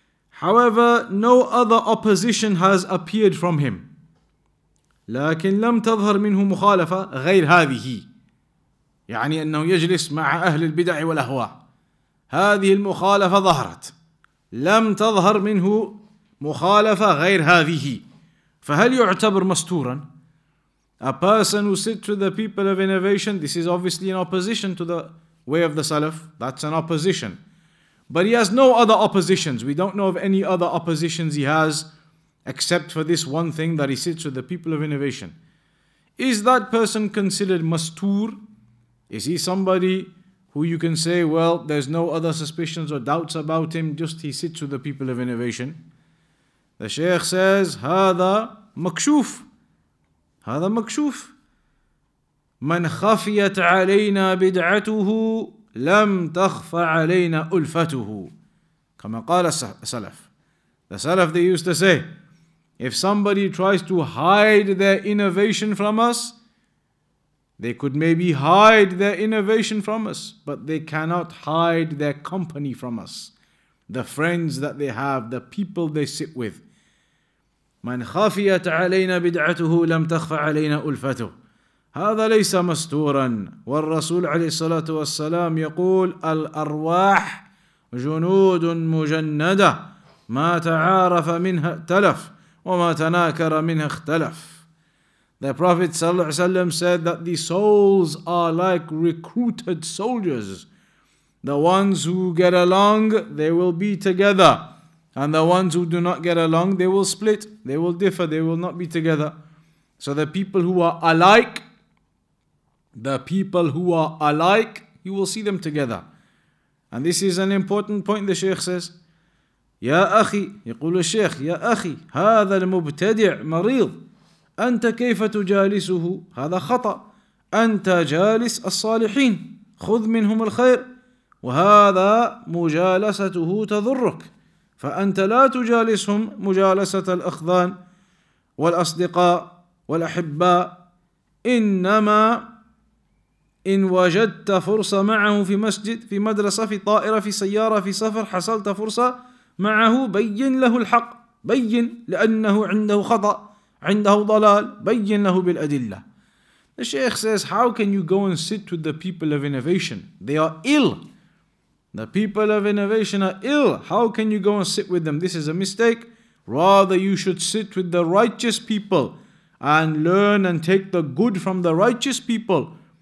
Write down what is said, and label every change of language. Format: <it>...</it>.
<en>However, no other opposition has appeared from him.</en> <ar>لكن لم تظهر منه مخالفة غير هذه. يعني أنه يجلس مع أهل البدع والأهواء. هذه المخالفة ظهرت. لم تظهر منه مخالفة غير هذه. فهل يعتبر مستورا؟</ar> <en>A person who sits with the people of innovation, this is obviously an opposition to the way of the Salaf. That's an opposition. But he has no other oppositions. We don't know of any other oppositions he has except for this one thing, that he sits with the people of innovation. Is that person considered mastur? Is he somebody who you can say, well, there's no other suspicions or doubts about him, just he sits with the people of innovation? The Shaykh says,</en> <ar>هذا مكشوف. هذا مكشوف. من خفيت علينا بدعته لم تخف علينا ألفته. كما قال السلف.</ar> <en>The Salaf, they used to say, if somebody tries to hide their innovation from us, they could maybe hide their innovation from us, but they cannot hide their company from us. The friends that they have, the people they sit with.</en> <ar>من خفيت علينا بدعته لم تخف علينا ألفته هذا ليس مستورا والرسول عليه الصلاة والسلام يقول الأرواح جنود مجندة ما تعارف منها تلف وما تناكر منها اختلف.</ar> <en>The Prophet</en> <ar>صلى الله عليه وسلم</ar> <en>said that the souls are like recruited soldiers. The ones who get along, they will be together. And the ones who do not get along, they will split, they will differ, they will not be together. So the people who are alike, you will see them together. And this is an important point, the Shaykh says.</en> <ar>يَا أَخِي يَقُولُ الشَّيْخ يَا أَخِي هَذَا الْمُبْتَدِعْ مَرِيضْ أَنْتَ كَيْفَ تُجَالِسُهُ هَذَا خَطَأْ أَنْتَ جَالِسْ الصَّالِحِينَ خُذْ مِنْهُمُ الْخَيْرِ وَهَذَا مُجَالَسَتُهُ تَضُرُّكْ فأنت لا تجالسهم مجالسة الأخذان والأصدقاء والأحباء إنما إن وجدت فرصة معه في مسجد في مدرسة في طائرة في سيارة في سفر حصلت فرصة معه بين له الحق بين لأنه عنده خطأ عنده ضلال بين له بالأدلة.</ar> <en>The Sheikh says, how can you go and sit with the people of innovation? They are ill. The people of innovation are ill. How can you go and sit with them? This is a mistake. Rather, you should sit with the righteous people and learn and take the good from the righteous people.</en>